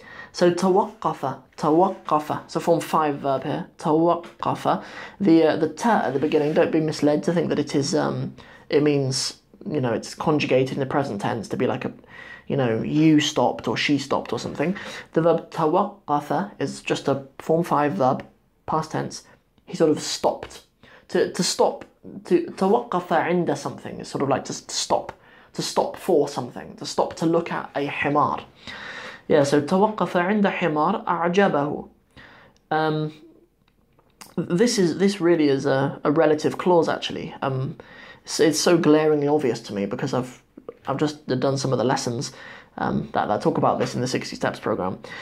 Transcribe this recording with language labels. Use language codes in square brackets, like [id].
[en] So tawaqqafa, so form five verb here, tawaqqafa, the ta at the beginning, don't be misled to think that it is, it means, it's conjugated in the present tense to be like a, you stopped or she stopped or something. The verb tawaqqafa is just a form five verb, past tense, he sort of stopped. To stop, to tawaqqafa inda something, it's sort of like to stop for something, to stop to look at a himar. Yeah, so [ar] تَوَقَّفَ عِنْدَ حِمَارْ أَعْجَبَهُ. [en] This really is a relative clause, actually. It's so glaringly obvious to me because I've just done some of the lessons that talk about this in the 60 Steps program.